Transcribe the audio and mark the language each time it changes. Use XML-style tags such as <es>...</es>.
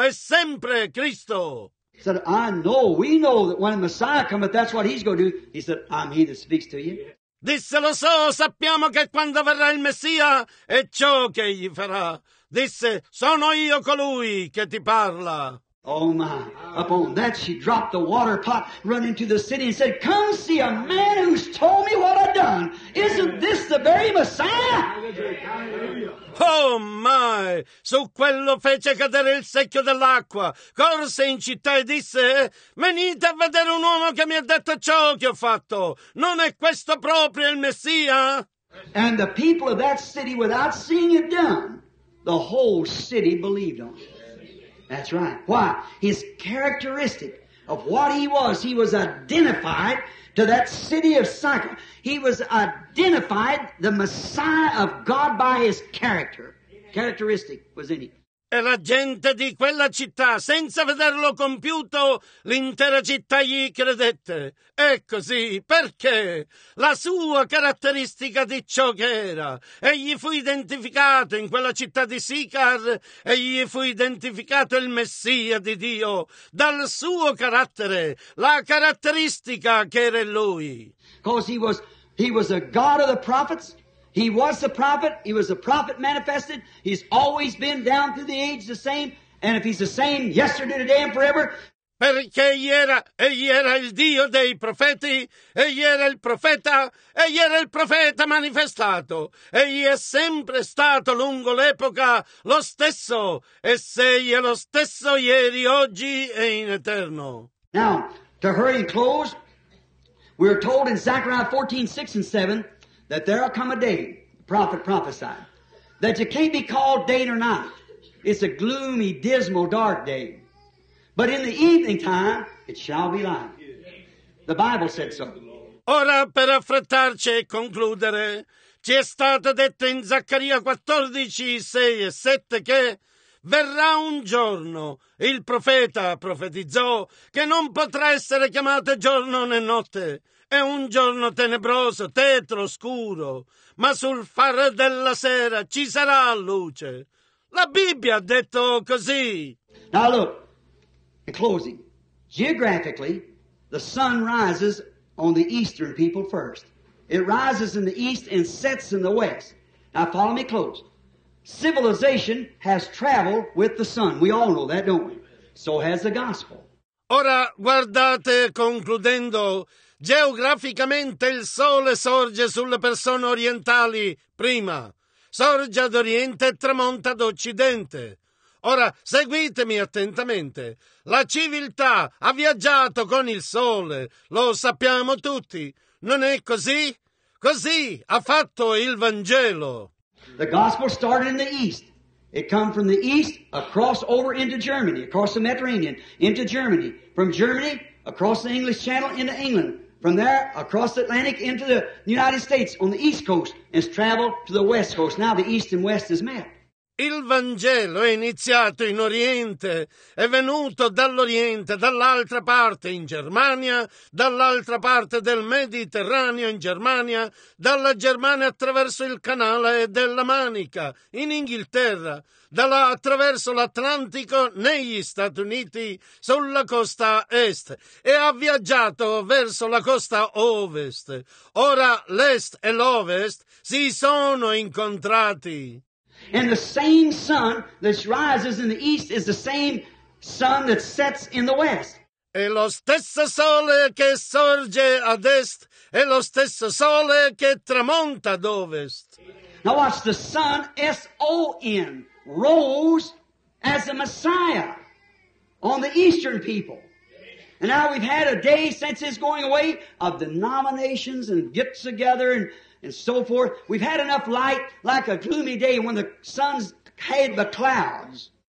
<it>È sempre Cristo.</it> <en>He said, I know, we know that when the Messiah cometh, that's what he's going to do. He said, I'm he that speaks to you.</en> <it>Disse, lo so, sappiamo che quando verrà il Messia è ciò che egli farà. Disse, sono io colui che ti parla.</it> <en>Oh my, upon that she dropped the water pot, run into the city and said, come see a man who's told me what I've done. Isn't this the very Messiah? Oh my,</en> <it>su quello fece cadere il secchio dell'acqua, corse in città e disse, venite a vedere un uomo che mi ha detto ciò che ho fatto. Non è questo proprio il Messia?</it> <en>And the people of that city, without seeing it done, the whole city believed on it. That's right. Why? His characteristic of what he was identified to that city of Sychar. He was identified the Messiah of God by his character. Characteristic was in him.</en> <it>e la gente di quella città, senza vederlo compiuto, l'intera città gli credette. È così, perché la sua caratteristica di ciò che era. Egli fu identificato in quella città di Sicar, egli fu identificato il Messia di Dio, dal suo carattere, la caratteristica che era in lui.</it> <en>Because he was a God of the prophets. He was the prophet. He was the prophet manifested. He's always been down through the age the same. And if he's the same yesterday, today, and forever.</en> <it>Perché egli era il Dio dei profeti. Egli era il profeta manifestato. Egli è sempre stato lungo l'epoca lo stesso. E se egli è lo stesso ieri, oggi e in eterno.</it> <en>Now, to hurry and close, we're told in Zechariah 14, 6 and 7, that there will come a day, the prophet prophesied, that you can't be called day or night. It's a gloomy, dismal, dark day. But in the evening time, it shall be light. The Bible said so.</en> <it>Ora, per affrettarci e concludere, ci è stato detto in Zaccaria 14, 6 e 7 che verrà un giorno, il profeta profetizzò, che non potrà essere chiamato giorno né notte. È un giorno tenebroso, tetro, scuro, ma sul far della sera ci sarà luce. La Bibbia ha detto così.</it> <en>Now look, in closing, geographically, the sun rises on the eastern people first. It rises in the east and sets in the west. Now follow me close. Civilization has traveled with the sun. We all know that, don't we? So has the gospel.</en> <it>Ora guardate, concludendo, geograficamente il sole sorge sulle persone orientali prima, sorge ad oriente e tramonta ad occidente. Ora seguitemi attentamente. La civiltà ha viaggiato con il sole, lo sappiamo tutti. Non è così? Così ha fatto il Vangelo.</it> <en>The gospel started in the east. It come from the east across over into Germany, across the Mediterranean, into Germany. From Germany, across the English Channel, into England. From there, across the Atlantic, into the United States, on the east coast, and it's traveled to the west coast. Now the east and west is met.</en> <it>Il Vangelo è iniziato in Oriente, è venuto dall'Oriente, dall'altra parte in Germania, dall'altra parte del Mediterraneo in Germania, dalla Germania attraverso il canale della Manica, in Inghilterra, da là attraverso l'Atlantico negli Stati Uniti, sulla costa est, e ha viaggiato verso la costa ovest. Ora l'est e l'ovest si sono incontrati.</it> <en>And the same sun that rises in the east is the same sun that sets in the west.</en> <it>E lo stesso sole che sorge ad est è lo stesso sole che tramonta ad ovest.</it> <en>Now watch the sun, S-O-N, rose as a Messiah on the eastern people. And now we've had a day since his going away of denominations and get together and so forth. We've had enough light like a gloomy day when the sun's had the clouds.</en>